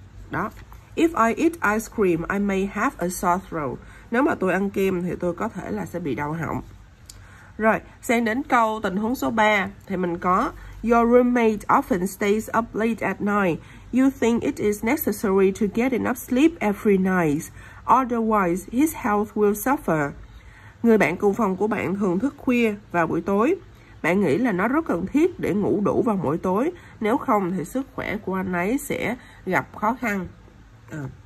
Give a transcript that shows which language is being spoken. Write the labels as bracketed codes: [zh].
[en] Đó. If I eat ice cream, I may have a sore throat. [vi] Nếu mà tôi ăn kem thì tôi có thể là sẽ bị đau họng. Rồi, sang đến câu tình huống số 3 thì mình có [en] your roommate often stays up late at night. You think it is necessary to get enough sleep every night. Otherwise, his health will suffer. [vi] Người bạn cùng phòng của bạn thường thức khuya vào buổi tối. Bạn nghĩ là nó rất cần thiết để ngủ đủ vào mỗi tối. Nếu không thì sức khỏe của anh ấy sẽ gặp khó khăn. À.